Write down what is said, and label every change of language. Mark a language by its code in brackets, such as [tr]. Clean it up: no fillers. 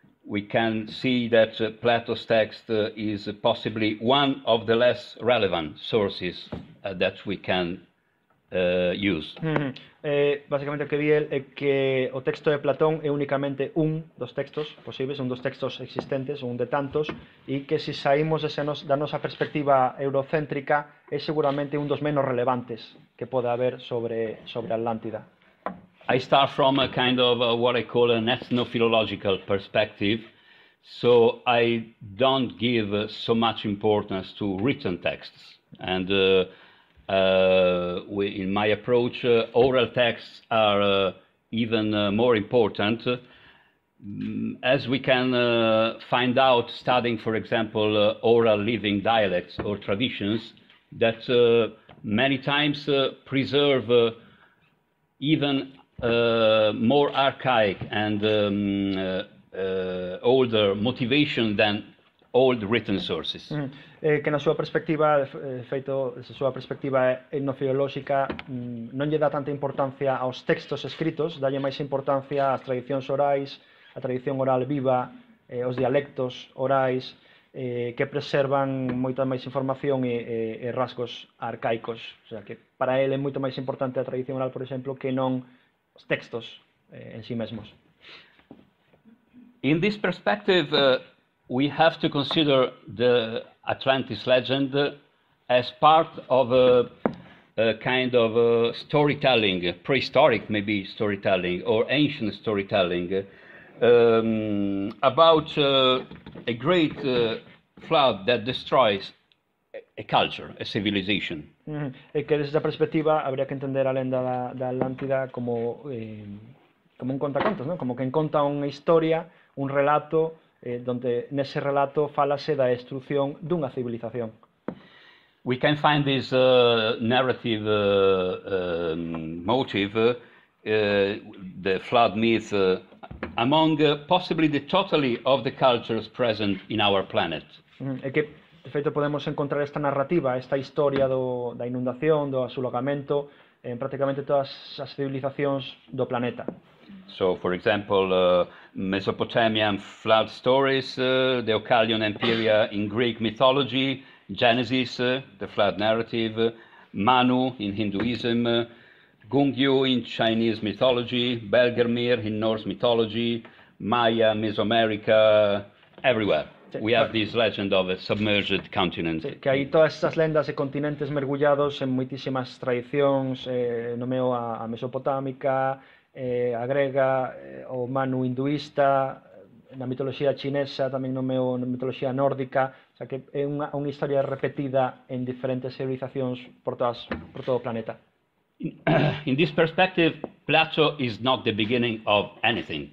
[en] we can see that Plato's text is possibly one of the less relevant sources that we can use. [es] Básicamente, lo que vi es que el texto de Platón es únicamente un dos textos posibles, un dos textos existentes, un de tantos, y que si salimos de nuestra perspectiva eurocéntrica, es seguramente un dos menos relevantes que puede haber sobre Atlántida. [en] I start from a kind of what I call an ethnophilological perspective, so I don't give so much importance to written texts. And in my approach, oral texts are even more important, as we can find out studying, for example, oral living dialects or traditions that many times preserve even more archaic and older motivation than old written sources. [gl] Que na súa perspectiva, de feito, desde a súa perspectiva etnofilológica, non lle dá tanta importancia aos textos escritos, dálle máis importancia ás tradicións orais, a tradición oral viva, os dialectos orais, que preservan moita máis información e rasgos arcaicos. O sea, que para ele é moito máis importante a tradición oral, por exemplo, que non os textos en sí mesmos. [en] In this perspective, we have to consider the Atlantis legend as part of a kind of a storytelling, prehistoric maybe storytelling or ancient storytelling, about a great flood that destroys a culture, a civilization. [gl] E que desde esa perspectiva habría que entender a lenda da Atlántida como un contacontos, ¿no? Como que conta unha historia, un relato. Donde nesse relato fala-se da destrución dunha civilización. [en] We can find this narrative motive, the flood myth, among possibly the totality of the cultures present in our planet. [gl] É que, de feito, podemos encontrar esta narrativa, esta historia da inundación, do asolamento, en prácticamente todas as civilizacións do planeta. [en] So, for example, Mesopotamian flood stories, the Deucalion Empyrea in Greek mythology, Genesis, the flood narrative, Manu in Hinduism, Gungyu in Chinese mythology, Belgermir in Norse mythology, Maya, Mesoamerica, everywhere. Sí, we have this legend of a submerged continent. [gl] Sí, que hai todas estas lendas de continentes mergullados en moitísimas tradicións, nomeo a Mesopotámica, a grega, o manu hinduista, na mitoloxía chinesa, tamén na mitoloxía nórdica, o sea que é unha historia repetida en diferentes civilizacións por todo o planeta. [en] In this perspective, Plato is not the beginning of anything.